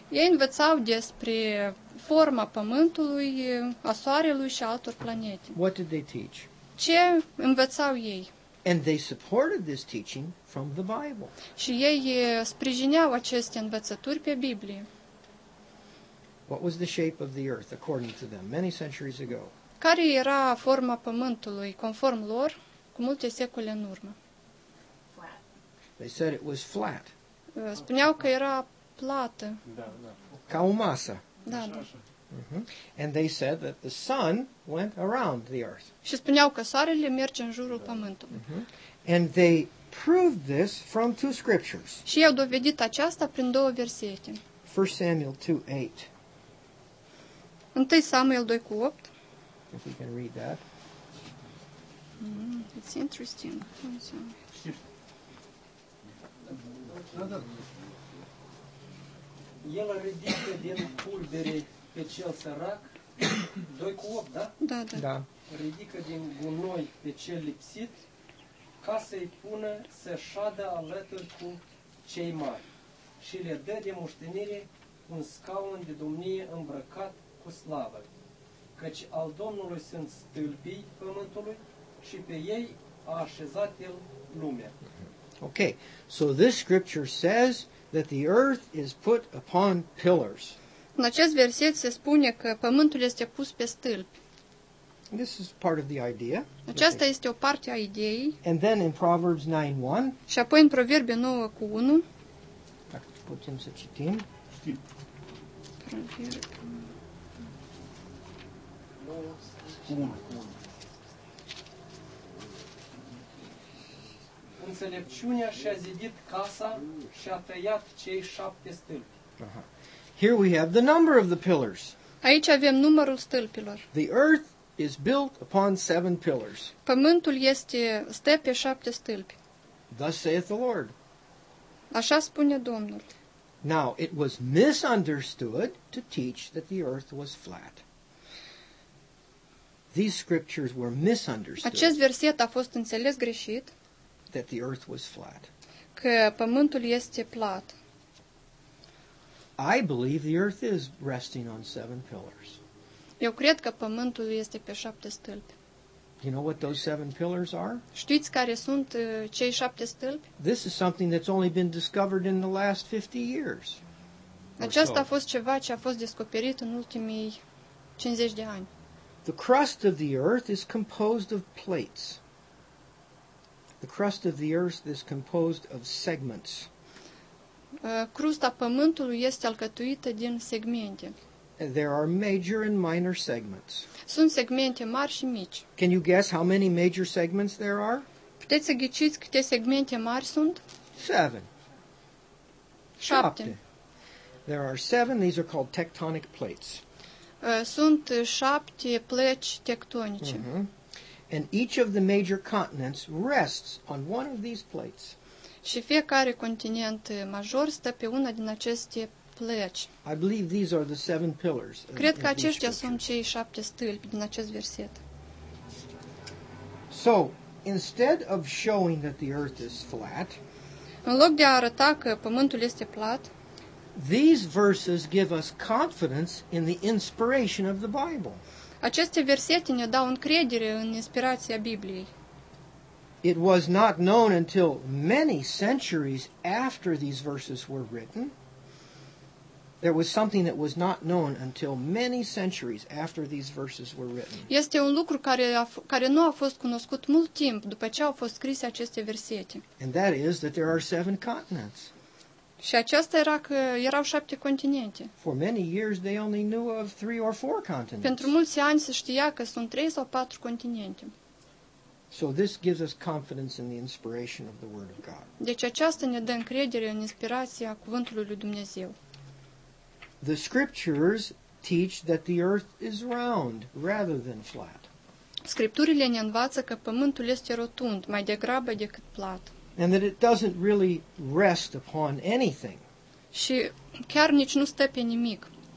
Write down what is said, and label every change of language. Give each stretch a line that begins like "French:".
Romanian: Ei învățau despre forma Pământului, a Soarelui și altor planete.
English: What did they teach?
Romanian: Ce învățau ei?
English: And they supported this teaching from the Bible.
Romanian: Și ei sprijineau aceste învățături pe Biblie.
English: What was the shape of the earth according to them many centuries ago?
Romanian: Care era forma Pământului conform lor cu multe secole în urmă?
English: They said it was flat.
Romanian: Spuneau că era plată. Da, da. Ca o masă. Da, da.
English: And they said that the sun went around the earth.
Romanian: Și spuneau că soarele merge în jurul Pământului.
English: And they proved this from two scriptures.
Romanian: Și au dovedit aceasta prin două versete.
English: 1 Samuel 2:8.
Romanian: 1 Samuel 2:8.
English: If we can read that. It's interesting.
Romanian: El a ridică din pulbere pe cel sărac, 2:8, da? Da, da. Da. Ridică din gunoi pe cel lipsit, ca să-i pună să șadă alături cu cei mari și le dă de moștenire un scaun de domnie îmbrăcat cu slavă, căci al Domnului sunt stâlpii Pământului și pe ei a așezat El lumea.
English: Okay, so this scripture says that the earth is put upon pillars.
Romanian: În acest verset se spune că Pământul este pus pe stâlpi.
English: This is part of the idea.
Romanian: Aceasta este o parte a ideii.
English: And then in Proverbs 9:1.
Romanian: Și apoi în Proverbe 9:1. Dacă putem să citim. Înțelepciunea și-a zidit casa și a tăiat cei șapte stâlpi.
English: Here we have the number of the pillars.
Romanian: Aici avem numărul stâlpilor.
English: The earth is built upon seven pillars.
Romanian: Pământul este stă pe șapte stâlpi.
English: Thus saith the Lord.
Romanian: Așa spune Domnul.
English: Now, it was misunderstood to teach that the earth was flat. These scriptures were misunderstood.
Romanian: Acest verset a fost înțeles greșit.
English: That the earth was flat.
Romanian: Că Pământul este plat.
English: I believe the earth is resting on seven pillars.
Romanian: Eu cred că Pământul este pe șapte stâlpi.
English: You know what those seven pillars are?
Romanian: Știți care sunt cei șapte stâlpi?
English: This is something that's only been discovered in the last 50 years.
Romanian: Aceasta a fost ceva ce a fost descoperit în ultimii 50 de ani.
English: The crust of the earth is composed of plates. The crust of the earth is composed of segments.
Romanian: Crusta Pământului este alcătuită din segmente.
English: There are major and minor segments.
Romanian: Sunt segmente mari și mici.
English: Can you guess how many major segments there are?
Romanian: Puteți să ghiciți câte segmente mari sunt?
English: Seven.
Romanian: Șapte.
English: There are seven. These are called tectonic plates.
Romanian: Sunt șapte pleci tectonice. Mm-hmm.
English: And each of the major continents rests on one of these plates.
Romanian: Și fiecare continent major stă pe una din aceste pleci.
English: I believe these are the seven pillars.
Romanian: Cred că aceștia sunt cei șapte stâlpi din acest verset.
English: So, instead of showing that the earth is flat,
Romanian: în loc de a arăta că Pământul este plat,
English: these verses give us confidence in the inspiration of the Bible.
Romanian: Aceste versete ne dau încredere în inspirația Bibliei.
English: It was not known until many centuries after these verses were written. There was something that was not known until many centuries after these verses were written.
Romanian: Este un lucru care nu a fost cunoscut mult timp după ce au fost scrise aceste versete.
English: And that is that there are seven continents.
Romanian: Și aceasta era că erau șapte continente.
English: For many years they only knew of three or four continents.
Romanian: Pentru mulți ani se știa că sunt trei sau patru continente.
English: So this gives us confidence in the inspiration of the Word of God.
Romanian: Deci aceasta ne dă încredere în inspirația Cuvântului lui Dumnezeu.
English: The scriptures teach that the earth is round rather than flat.
Romanian: Scripturile ne învață că Pământul este rotund mai degrabă decât plat.
English: And that it doesn't really rest upon anything.
Romanian: Și chiar nici nu stă pe nimic.